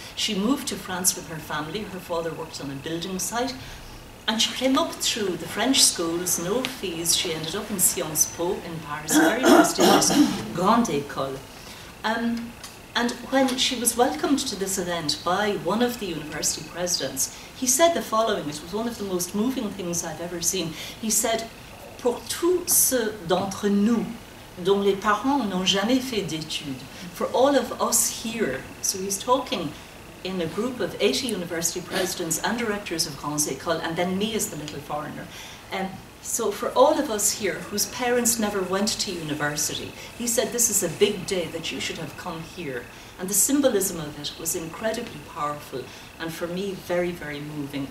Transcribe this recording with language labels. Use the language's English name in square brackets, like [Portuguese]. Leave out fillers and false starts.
[English] She moved to France with her family, her father worked on a building site, and she came up through the French schools, no fees, she ended up in Sciences Po in Paris, very prestigious, Grande École. And when she was welcomed to this event by one of the university presidents, he said the following, it was one of the most moving things I've ever seen. He said, [French] pour tous ceux d'entre nous dont les parents n'ont jamais fait d'études, [English] for all of us here. So he's talking in a group of 80 university presidents and directors of Grandes Écoles, and then me as the little foreigner. So for all of us here whose parents never went to university, he said this is a big day that you should have come here. And the symbolism of it was incredibly powerful and for me very, very moving.